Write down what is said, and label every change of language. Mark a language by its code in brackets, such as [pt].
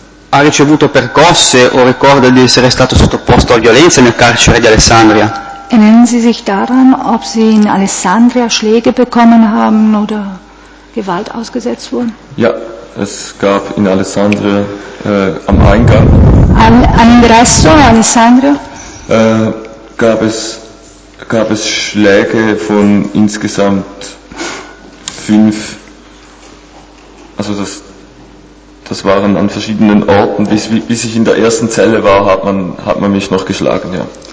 [it] Ha ricevuto percosse o ricorda di essere stato sottoposto a violenze nel carcere di Alessandria? [de] Erinnern Sie sich daran, ob Sie in Alessandria Schläge bekommen haben oder Gewalt ausgesetzt wurden? Ja. Es gab in Alessandria am Eingang. [it] All'ingresso in Alessandria? [de] Gab es Schläge von insgesamt fünf. Also das waren an verschiedenen Orten. Bis ich in der ersten Zelle war, hat man mich noch geschlagen, ja.